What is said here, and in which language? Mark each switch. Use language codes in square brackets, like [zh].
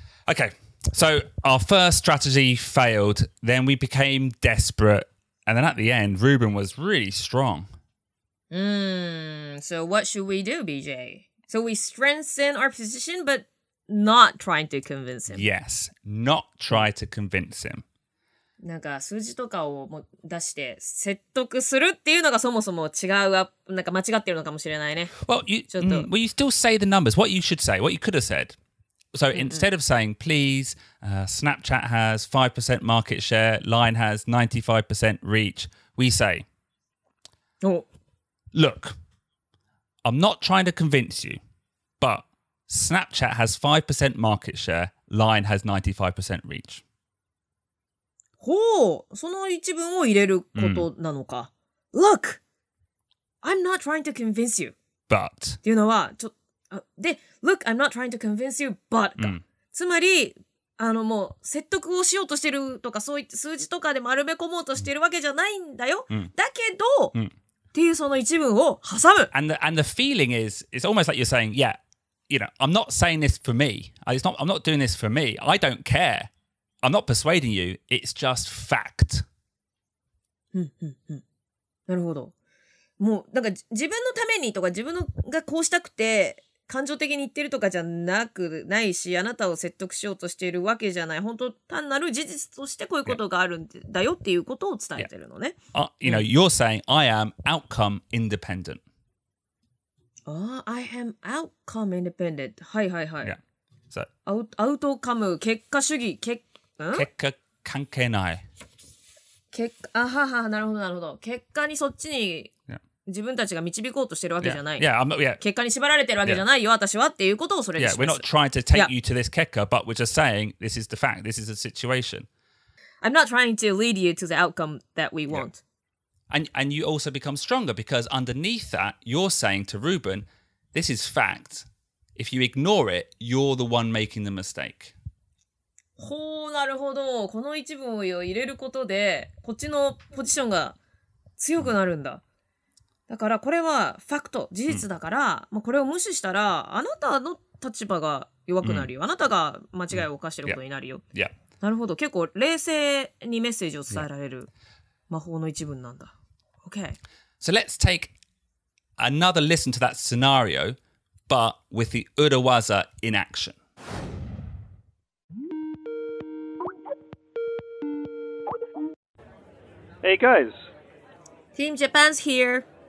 [en] Okay, so our first strategy failed, then we became desperate, and then at the end, Ruben was really strong. So what should we do, BJ? So we strengthen our position, but not trying to convince him. Yes, not try to convince him. [ja] なんか数字とかを出して説得するっていうのがそもそも違う、なんか間違ってるのかもしれないね。 [en] Well, you, [ja] ちょっと、 [en] well, you still say the numbers. What you should say, what you could have said. So instead of saying, please, Snapchat has 5% market share, LINE has 95% reach, we say, look, I'm not trying to convince you, but Snapchat has 5% market share, LINE has 95% reach. [ja] ほう、その一文を入れることなのか。 [en] Look! I'm not trying to convince you. But. [ja] っていうのは、で、 [en] Look! I'm not trying to convince you, but. か。 [ja] つまり、もう、説得をしようとしてるとか、そういった数字とかで丸め込もうとしてるわけじゃないんだよ。だけど、っていうその一文を挟む。 [en] And the feeling is, it's almost like you're saying, yeah, you know, I'm not saying this for me. I'm not doing this for me. I don't care. I'm not persuading you, it's just fact. [ja] なるほど。もう、なんか自分のためにとか自分のがこうしたくて感情的に言ってるとかじゃなくないし、あなたを説得しようとしているわけじゃない。本当、単なる事実としてこういうことがあるんだよっていうことを伝えてるのね。 [en] You know, you're saying I am outcome independent. Oh, I am outcome independent. [ja] はいはいはい。 [en] Yeah. So, [ja] outcome, 結果主義、結果。結果関係ない。結果、あはは、なるほど。結果にそっちに自分たちが導こうとしてるわけじゃない。結果に縛られてるわけじゃないよ、私はっていうことをそれにします。 [en] Yeah, we're not trying to take you to this 結果, but we're just saying this is the fact, this is the situation. I'm not trying to lead you to the outcome that we want. And you also become stronger because underneath that, you're saying to Ruben, this is fact. If you ignore it, you're the one making the mistake. [ja] ほう、なるほど。この一文を入れることで、こっちのポジションが強くなるんだ。だから、これはファクト、事実だから、まあ、これを無視したら、あなたの立場が弱くなるよ。あなたが間違いを犯してることになるよ。なるほど。結構、冷静にメッセージを伝えられる魔法の一文なんだ。 [en] Okay. So let's take another listen to that scenario, but with the 裏技 in action. Hey guys. Team Japan's here.